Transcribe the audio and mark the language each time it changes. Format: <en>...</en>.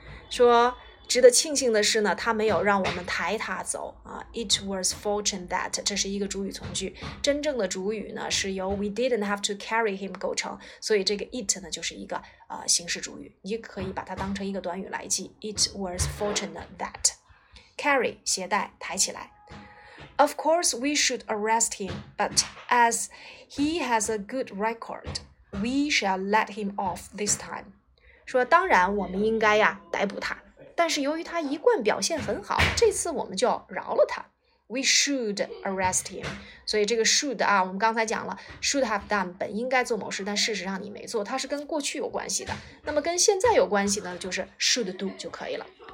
<zh>说值得庆幸的是呢他没有让我们抬他走。</zh> <en>It was fortunate that,</en> <zh>这是一个主语从句。真正的主语呢是由</zh> <en>we didn't have to carry him</en> <zh>构成。所以这个 it 呢就是一个形式主语。你可以把它当成一个短语来记。</zh> <en>It was fortunate that. Carry,</en> <zh>携带抬起来。</zh> <en>Of course, we should arrest him, but as he has a good record,We shall let him off this time.</en> <zh>说当然我们应该呀逮捕他。但是由于他一贯表现很好这次我们就饶了他。</zh> <en>We should arrest him.</en> <zh>所以这个 should 啊我们刚才讲了</zh> <en>should have done,</en> <zh>本应该做某事但事实上你没做它是跟过去有关系的。那么跟现在有关系呢就是 should do 就可以了。</zh>